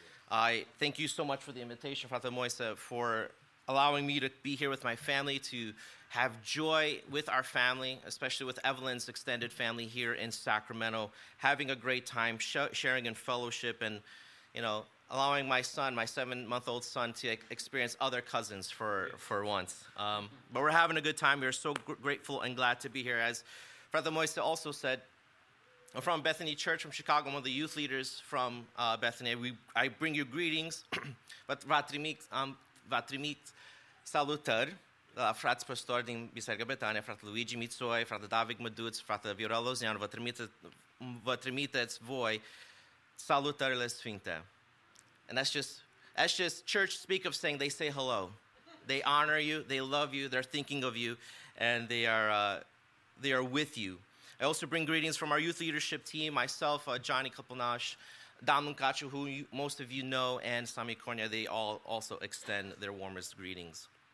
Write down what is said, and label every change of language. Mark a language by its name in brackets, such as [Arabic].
[English] I thank you so much for the invitation, Father Moise, for allowing me to be here with my family, to have joy with our family, especially with Evelyn's extended family here in Sacramento, having a great time sharing in fellowship and, you know, allowing my son, my seven-month-old son, to experience other cousins for once. But we're having a good time. We're so grateful and glad to be here. As Father Moise also said, I'm from Bethany Church from Chicago. I'm one of the youth leaders from Bethany. I bring you greetings. [Romanian] But vatrimit salutări la frați păstori din Biserica Betania, frate Luigi Mitsoi, frate David Măduț, frate Viorel Lozian, vă trimiteți voi salutările sfinte. [English] And that's just church speak of saying they say hello. They honor you, they love you, they're thinking of you, and they are with you. I also bring greetings from our youth leadership team, myself, Johnny Kapelnash, Damlin Kachu, who most of you know, and Sami Cornia, they all also extend their warmest greetings.